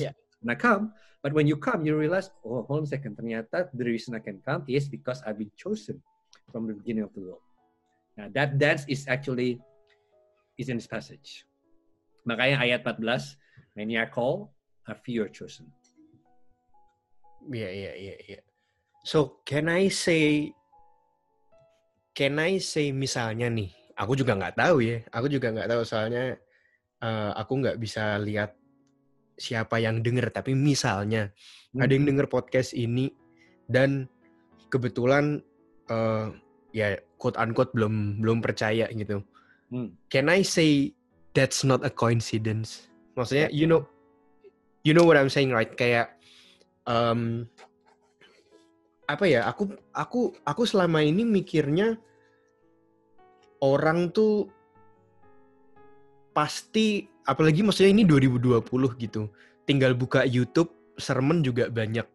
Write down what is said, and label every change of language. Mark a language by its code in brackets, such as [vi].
[en] Yeah, yeah. And I come, but when you come, you realize, oh, hold on a second, ternyata the reason I can come is because I've been chosen from the beginning of the world. Now that dance is actually, is in this passage. [id] Makanya ayat 14, [en] many are called, a few are chosen. Yeah, yeah, yeah, yeah. So, can I say [id] misalnya nih, aku juga gak tahu ya, aku juga gak tahu soalnya aku gak bisa lihat siapa yang denger, tapi misalnya ada yang denger podcast ini dan kebetulan ya quote-unquote belum percaya gitu. [en] Can I say that's not a coincidence? Maksudnya, you know what I'm saying, right? [id] Kayak apa ya, aku selama ini mikirnya orang tuh pasti, apalagi maksudnya ini 2020 gitu, tinggal buka YouTube, sermon juga banyak.